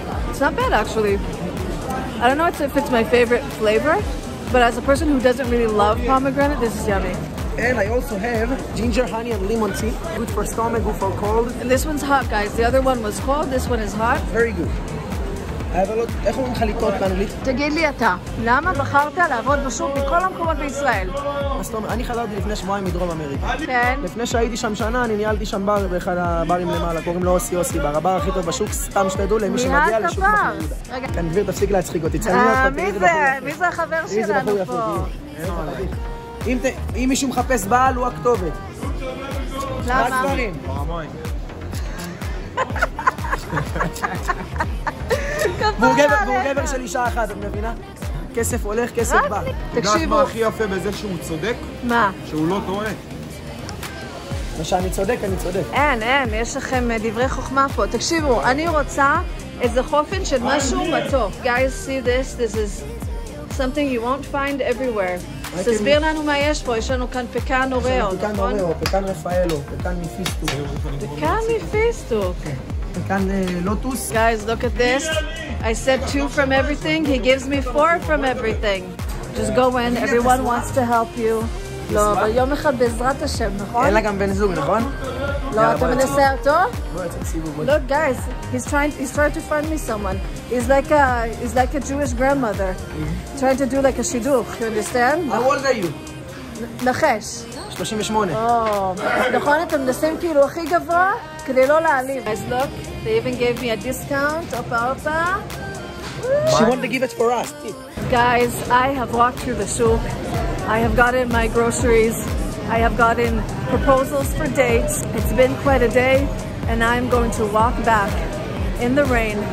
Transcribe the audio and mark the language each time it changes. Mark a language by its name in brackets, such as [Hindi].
[English] It's not bad actually. I don't know if it's my favorite flavor, but as a person who doesn't really love pomegranate, this is yummy. And I also have ginger, honey, and lemon tea. Good for stomach, good for cold. And this one's hot, guys. The other one was cold, this one is hot. Very good. I have a lot. [Hebrew] איך אומרים חליטות באנגלית? תגיד לי אתה, למה בחרת לעבוד בשוק בכל המקומות בישראל? אז תומר, אני חזרתי לפני שבועיים מדרום אמריקה. כן. לפני שהייתי שם שנה, אני ניהלתי שם בר באחד הברים למעלה, קוראים לו אוסי אוסי בר, הבר הכי טוב בשוק, סתם שתדעו למי שמגיע לשוק מחרידה. רגע. כאן גביר, תפסיק להצחיק אותי, צלמי אותך. מי זה החבר שלנו פה? אם מישהו מחפש בעל, הוא הכתובת. והוא גבר של אישה אחת, את מבינה? כסף הולך, כסף בא. תקשיבו. יודעת מה הכי יפה בזה שהוא צודק? מה? שהוא לא טועה. מה שאני צודק, אני צודק. אין, יש לכם דברי חוכמה פה. תקשיבו, אני רוצה איזה חופן של משהו מתוק. [English] Guys, see this? This is something you won't find everywhere. [Hebrew] תסביר לנו מה יש פה, יש לנו כאן פקן אוראו, נכון? פקן אוראו, פקן רפאלו, פקן מפיסטוק. פקן מפיסטוק. פקן לוטוס. [English] Guys, look at this. I said two from everything, he gives me four from everything. Just go in, everyone wants to help you. [Hebrew] לא, ביום אחד בעזרת השם, נכון? אין לה גם בן זוג, נכון? לא, אתה מנסה אותו? [English] Look, guys, he's trying to find me someone. He's like a Jewish grandmother. Trying to do like a shiduch, you understand? How old are you? [Hebrew] נחש. 38. נכון, אתם מנסים כאילו הכי גבוה כדי לא להעליב. [English] Guys, look. They even gave me a discount, opa-opa. She wanted to give it for us. Guys, I have walked through the shuk. I have gotten my groceries. I have gotten proposals for dates. It's been quite a day, and I'm going to walk back in the rain.